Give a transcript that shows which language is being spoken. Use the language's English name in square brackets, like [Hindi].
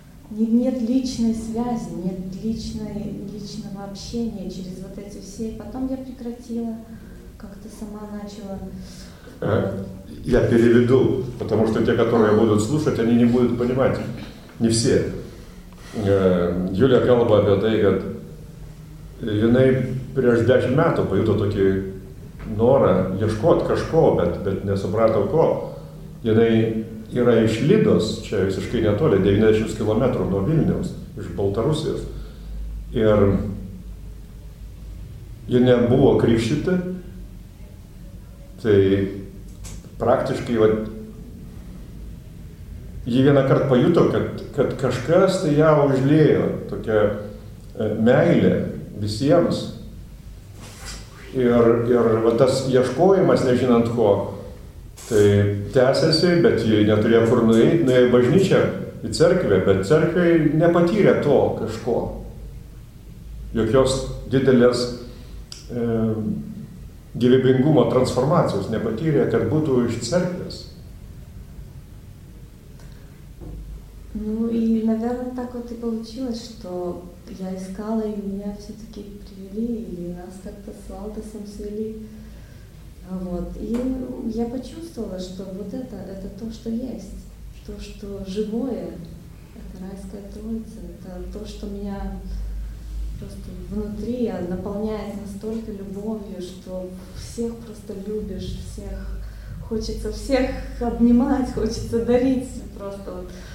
[Russian] Нет личной связи, нет личного общения через вот эти все. И потом я прекратила, как-то сама начала... Я переведу, потому что те, которые будут слушать, они не будут понимать. Не все. Юлия Галаба об этом говорит. [Lithuanian] Prieš 10 metų pajuto tokį norą ieškoti kažko, bet nesuprato ko. Jinai yra iš Lidos, čia visiškai netoli, 90 km nuo Vilniaus, iš Baltarusijos. Ir ji nebuvo krikštyta, tai praktiškai va, ji vieną kartą pajuto, kad kažkas tai ją užlėjo, tokia meilė visiems. Ir va, tas ieškojimas, nežinant ko, tai tęsiasi, bet ji neturėjo kur nuėti, nuėjo į bažnyčią, į cerkvę, bet cerkvė nepatyrė to kažko. Jokios didelės gyvybingumo transformacijos nepatyrė, kad būtų iš cerkvės. [Russian] Ну и, наверное, так вот и получилось, что я искала, и меня все-таки привели, и нас как-то с Валдосом свели. Вот. И я почувствовала, что вот это то, что есть, то, что живое, это райская троица, это то, что меня просто внутри наполняет настолько любовью, что всех просто любишь, всех хочется всех обнимать, хочется дарить просто вот.